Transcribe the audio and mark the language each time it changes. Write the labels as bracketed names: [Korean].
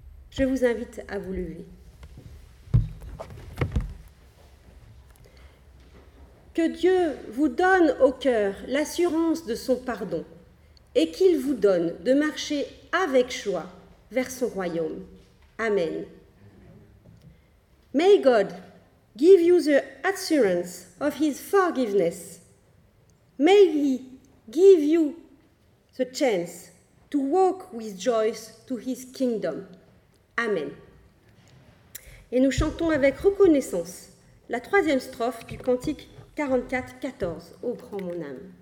[French] Je vous invite à vous lever. Que Dieu vous donne au cœur l'assurance de son pardon et qu'il vous donne de marcher avec joie vers son royaume. Amen. [English] May God give you the assurance of his forgiveness. May he give you the chance to walk with joy to his kingdom. Amen. [French] Et nous chantons avec reconnaissance la troisième strophe du cantique 44-14, Ô grand mon âme.